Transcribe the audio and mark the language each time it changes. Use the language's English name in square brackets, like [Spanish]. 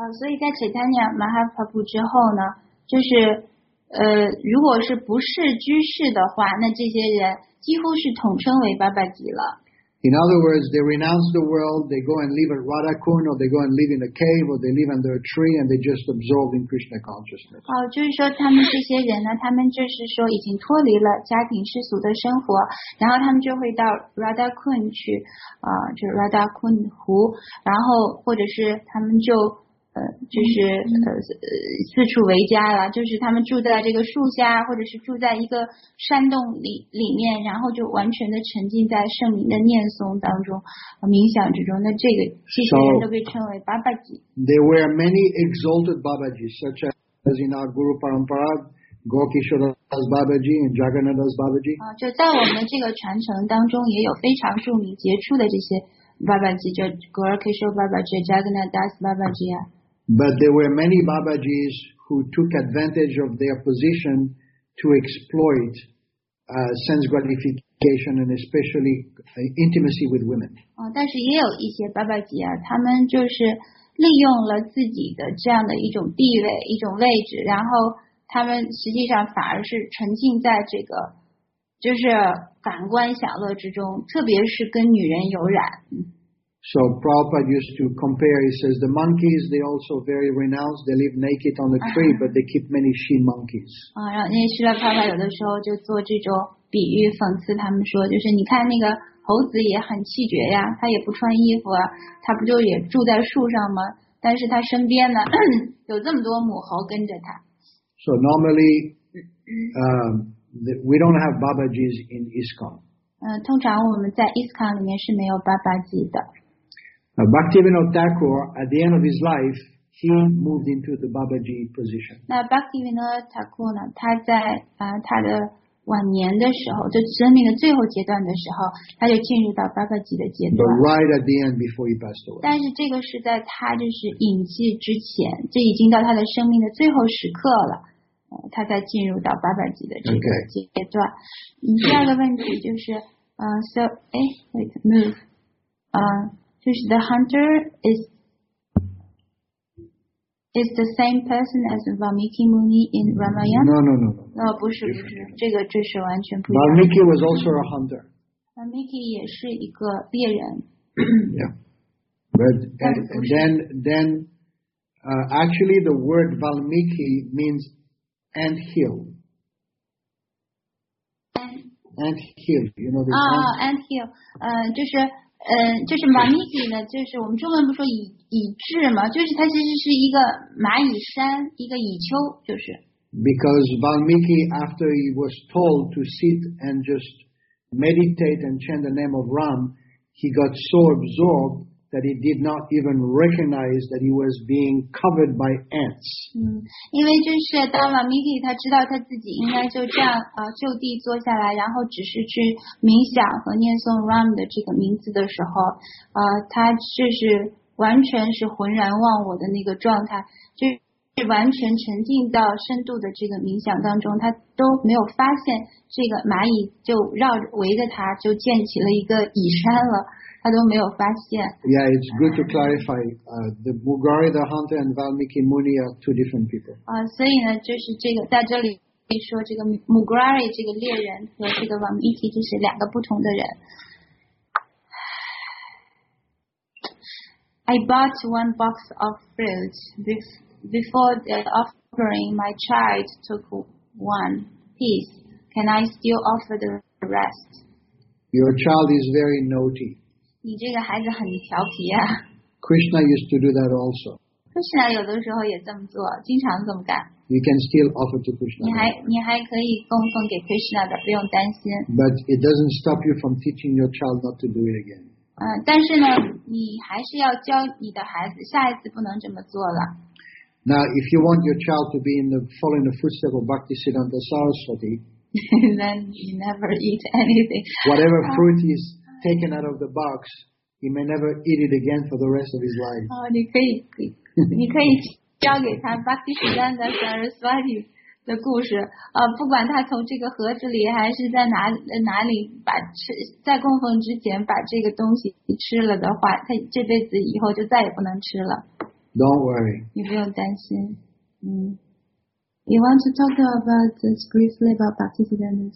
[Chinese] 所以在 Chaitanya Mahaprabhu 之后呢，就是如果是不是居士的话，那这些人几乎是统称为 Babaji 了。 [English] In other words, they renounce the world, they go and live at Radhakund, or they go and live in a cave, or they live under a tree, and they just absorb in Krishna consciousness. [Chinese] 就是说他们这些人呢，他们就是说已经脱离了家庭世俗的生活，然后他们就会到 Radhakund 去，就是 Radhakund 湖，然后或者是他们就四处为家了，就是他们住在这个树下，或者是住在一个山洞里面，然后就完全的沉浸在圣灵的念诵当中、冥想之中。那这些人都被称为 Babaji。 [English] There were many exalted Babajis, such as in our Guru Parampara, Gokishodas Babaji and Jagannathas Babaji. [Chinese] 就在我们这个传承当中，也有非常著名、杰出的这些。 [English] Babaji, Gaurakishore Babaji, Jagannath Das Babaji. But there were many Babajis who took advantage of their position to exploit sense gratification and especially intimacy with women. [Chinese] 但是也有一些 Babaji 啊，他们就是利用了自己的这样的一种地位、一种位置，然后他们实际上反而是沉浸在这个，就是。感官享乐之中，特别是跟女人有染。 [English] So Prabhupada used to compare. He says the monkeys they also very renounced. They live naked on the tree, but they keep many she monkeys. [Chinese] 然后那些释迦牟尼有的时候就做这种比喻，讽刺他们说，就是你看那个猴子也很气绝呀，他也不穿衣服，他不就也住在树上吗？但是他身边呢，有这么多母猴跟着他。 [English] So normally, we don't have Babajis in ISKCON. [Chinese] 通常我们在 ISKCON 里面是没有 Babaji 的。 [English] Now, Bhaktivinoda Thakur, at the end of his life, he moved into the Babaji position. [Chinese] 那 Bhaktivinoda Thakur 呢，他在他的晚年的时候，就生命的最后阶段的时候，他就进入到 Babaji 的阶段。 [English] But right at the end, before he passed away. [Chinese] 但是这个是在他就是隐逝之前，这已经到他的生命的最后时刻了。他在进入到Babaji的这个阶段。 [English] Okay. [Chinese] 第二个问题就是就是 [English] the hunter is the same person as Valmiki Muni in Ramayana? No, [Chinese] 不是，这个就是完全不一样。 [English] Valmiki was also a hunter. [Chinese] Valmiki 也是一个猎人。 [English] Yeah. But and then actually the word Valmiki means ant hill. Ant hill, you know the ant hill. [Chinese] 就是 Valmiki 呢，就是我们中文不说蚁峙嘛，就是它其实是一个蚂蚁山，一个蚁丘，就是。 [English] Because Valmiki, after he was told to sit and just meditate and chant the name of Ram, he got so absorbed that he did not even recognize that he was being covered by ants. [Chinese] 因为就是当 Valmiki 他知道他自己应该就这样就地坐下来，然后只是去冥想和念诵 Ram 的这个名字的时候，他就是完全是浑然忘我的那个状态，就。是完全沉浸到深度的这个冥想当中，他都没有发现这个蚂蚁就绕围着他就建起了一个蚁山了，他都没有发现。 [English] Yeah, it's good to clarify. The Mugari, the hunter, and Valmiki Muni are two different people. [Chinese] 所以呢，就是这个在这里说这个 Mugari 这个猎人和这个 Valmiki 就是两个不同的人。 [English] I bought one box of fruit. Before the offering, my child took one piece. Can I still offer the rest? Your child is very naughty. [Chinese] 你这个孩子很调皮啊。 [English] Krishna used to do that also. [Chinese] Krishna 有的时候也这么做，经常这么干。 [English] You can still offer to Krishna. [Chinese] 你还可以供奉给 Krishna 的，不用担心。 [English] But it doesn't stop you from teaching your child not to do it again. [Chinese] 但是呢，你还是要教你的孩子，下一次不能这么做了。 [English] Now, if you want your child to be in the following the footsteps of Bhaktisiddhanta Saraswati, then you never eat anything. Whatever fruit is taken out of the box, he may never eat it again for the rest of his life. [Chinese] 你可以教给他 Bhaktisiddhanta Saraswati 的故事。不管他从这个盒子里还是在哪里把吃在供奉之前把这个东西吃了的话，他这辈子以后就再也不能吃了。 [English] Don't worry. [Chinese] 你不用担心。 [English] You want to talk about this briefly about Bhaktisiddhanta?